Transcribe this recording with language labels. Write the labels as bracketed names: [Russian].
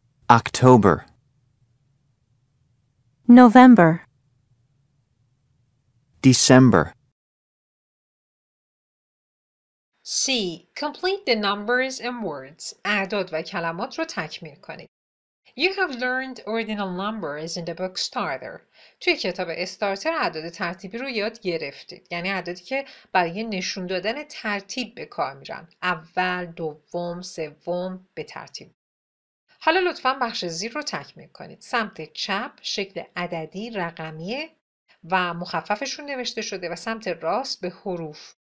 [English] October, November, December. C. Complete the numbers and words. [Persian] اعداد و کلمات رو تکمیل کنید. [English] You have learned ordinal numbers in the book Starter. [Persian] توی کتاب استارتر اعداد ترتیبی رو یاد گرفتید. یعنی اعدادی که برای نشون دادن ترتیب به کار میرن. اول، دوم، سوم، به ترتیب. حالا لطفاً بخش زیر رو تکمیل کنید. سمت چپ شکل عددی رقمیه و مخففشون نوشته شده و سمت راست به حروف.